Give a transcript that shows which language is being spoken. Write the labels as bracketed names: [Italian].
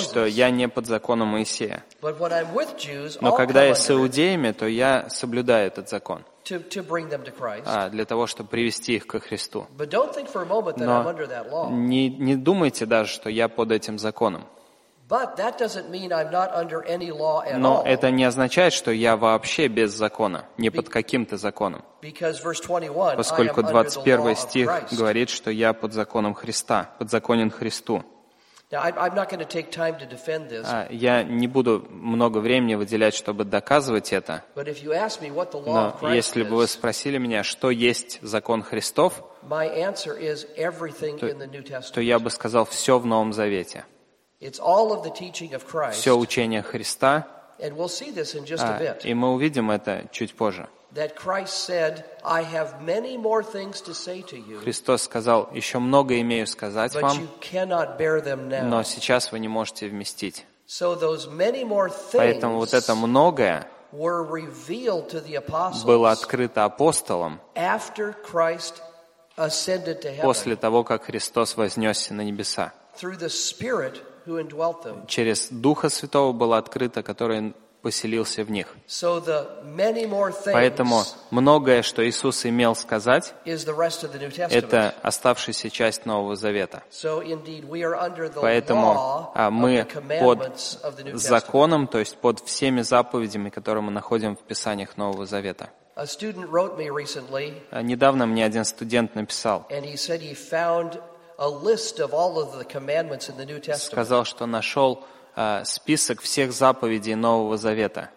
[Russian] что я не под законом Моисея. [English] But when I'm with Jews, [Russian] но когда я с иудеями, то я соблюдаю этот закон. [English] To bring them to Christ. [Russian] А, для того, чтобы привести их ко Христу. [English] But don't think for a moment that [Russian] Но [English] I'm under that law. [Russian] Не думайте даже, что я под этим законом. [English] But that doesn't mean I'm not under any law at all. [Russian] Но это не означает, что я вообще без закона, не под каким-то законом. [English] Because verse 21, [Russian] поскольку 21 стих говорит, что я под законом Христа, подзаконен Христу. [English] Now, I'm not going to take time to defend this. [Russian] Я не буду много времени выделять, чтобы доказывать это. [English] But if you ask me what the law of Christ is, [Russian] если бы вы спросили меня, что есть закон Христов, [English] my answer is everything in the New Testament. [Russian] То я бы сказал все в Новом Завете. [English] It's all of the teaching of Christ. [Russian] Все учение Христа. [English] And we'll see this in just a bit. [Russian] И мы увидим это чуть позже. [English] That Christ said, I have many more things to say to you. [Russian] Христос сказал, еще много имею сказать вам. [English] But you cannot bear them now. [Russian] Но сейчас вы не можете вместить. [English] So those many more things. [Russian] Поэтому вот это многое [English] were revealed to the apostles. [Russian] Было открыто апостолам. [English] After Christ ascended to heaven. [Russian] После того, как Христос вознесся на небеса. [English] Through the Spirit who indwelt them. [Russian] Через Духа Святого было открыто, который поселился в них. [English] So the many more things. [Russian] Поэтому многое, что Иисус имел сказать, это оставшаяся часть Нового Завета. [English] So indeed, we are under the [Russian] Поэтому [English] law [Russian] мы [English] of the commandments [Russian] под [English] of the New Testament. [Russian] Законом, то есть под всеми заповедями, которые мы находим в Писаниях Нового Завета. [English] A student wrote me recently, [Russian] недавно мне один студент написал, [English] and he said he found a list of all of the commandments in the New Testament. [Russian] Сказал, что нашел список всех заповедей Нового Завета.